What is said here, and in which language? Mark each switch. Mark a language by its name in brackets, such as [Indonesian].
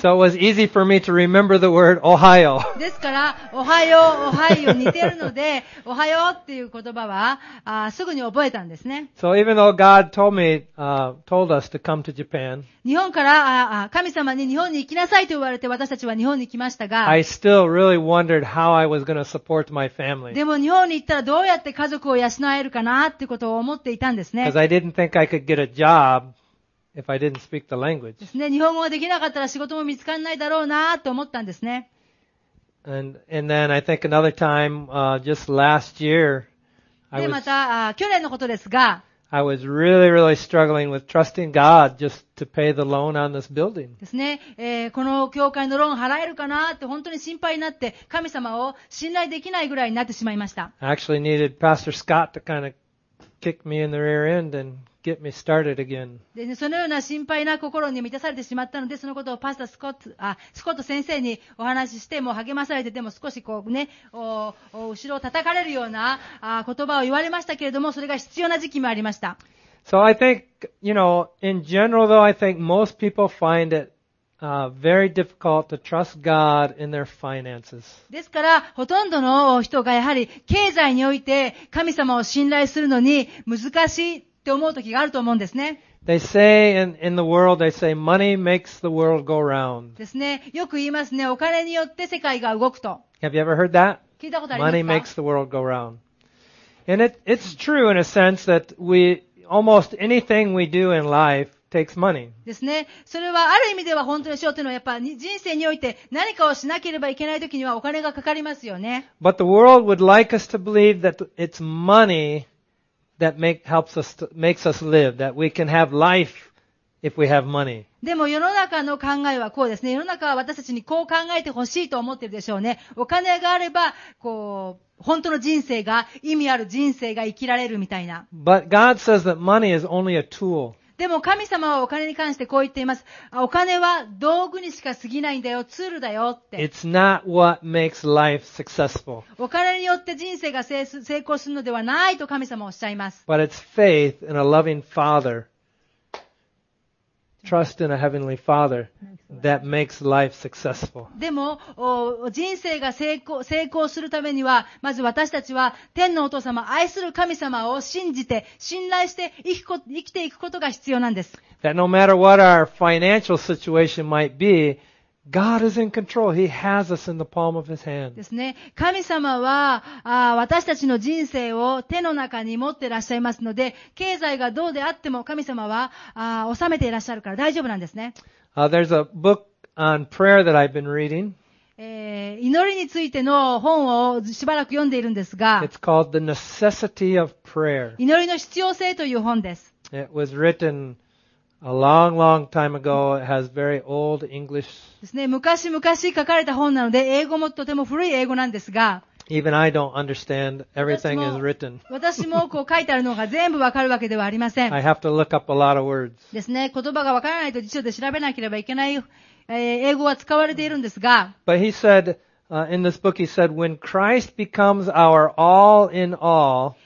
[English] So it was easy for me to remember the word Ohio. [Japanese] ですから、おはよう、オハイオ似てるので、おはようっていう言葉は、すぐに覚えたんですね。 [English] So even though God told me, told us to come to Japan, [Japanese] 日本から、神様に日本に行きなさいと言われて私たちは日本に来ましたが、 [English] I still really wondered how I was going to support my family. [Japanese] でも日本に行ったらどうやって家族を養えるかなってことを思っていたんですね。 [English] Because I didn't think I could get a job. If I didn't speak the language. [Japanese] ですね。日本語ができなかったら仕事も見つからないだろうなと思ったんですね。 [English] And then I think another time, just last year, [Japanese] でまた去年のことですが、 [English] I was really, really struggling with trusting God just to pay the loan on this building. [Japanese] ですね。この教会のローン払えるかなって本当に心配になって神様を信頼できないぐらいになってしまいました。 [English] I actually needed Pastor Scott to kind of kick me in the rear end andGet me started again. [Japanese] でね、そのような心配な心に満たされてしまったので、そのことをパスタスコット、スコット先生にお話しして、もう励まされて、でも少しこうね、後ろを叩かれるような言葉を言われましたけれども、それが必要な時期もありました。 [English] So I think, you know, in general though, I think most people find it, very difficult to trust God in their finances. [Japanese] ですから、ほとんどの人がやはり経済において神様を信頼するのに難しい、って思う時があると思うんですね。 They say in the world, they say money makes the world go round. ですね。よく言いますね。お金によって世界が動くと。 [English] Have you ever heard that? [Japanese] 聞いたことありますか? [English] Money makes the world go round. And it's true in a sense that we, almost anything we do in life, takes money. [Japanese] ですね。それはある意味では本当でしょうというのは、やっぱり人生において何かをしなければいけないときにはお金がかかりますよね。 [English] But the world would like us to believe that it's money that helps us, makes us live, that we can have life if we have money. [Japanese] でも世の中の考えはこうですね。世の中は私たちにこう考えてほしいと思ってるでしょうね。お金があれば、こう、本当の人生が、意味ある人生が生きられるみたいな。 [English] But God says that money is only a tool. [Japanese] でも神様はお金に関してこう言っています。お金は道具にしか過ぎないんだよ、ツールだよって。 [English] It's not what makes life successful. [Japanese] お金によって人生が成功するのではないと神様はおっしゃいます。 [English] But it's faith in a loving Father, trust in a heavenly Father that makes life successful. [Japanese] でも人生が成功するためには、まず私たちは天のお父様、愛する神様を信じて信頼して生きていくことが必要なんです。 [English] That no matter what our financial situation might be, God is in control. He has us in the palm of His hand. [Japanese] ですね。神様は私たちの人生を手の中に持っていらっしゃいますので、経済がどうであっても神様は収めていらっしゃるから大丈夫なんですね。 [English] There's a book on prayer that I've been reading. [Japanese] 祈りについての本をしばらく読んでいるんですが、 [English] It's called The Necessity of Prayer. [Japanese] 祈りの必要性という本です。 [English] It was written a long, long time ago. It has very old English. [Japanese] ですね、昔々書かれた本なので、英語もとても古い英語なんですが、 [English] Even I don't understand everything is written. [Japanese] 私もこう書いてあるのが全部わかるわけではありません。 [English] I have to look up a lot of words. [Japanese] ですね、言葉がわからないと辞書で調べなければいけない、英語は使われているんですが。 [English] But he said, in this book, he said, when Christ becomes our all in all.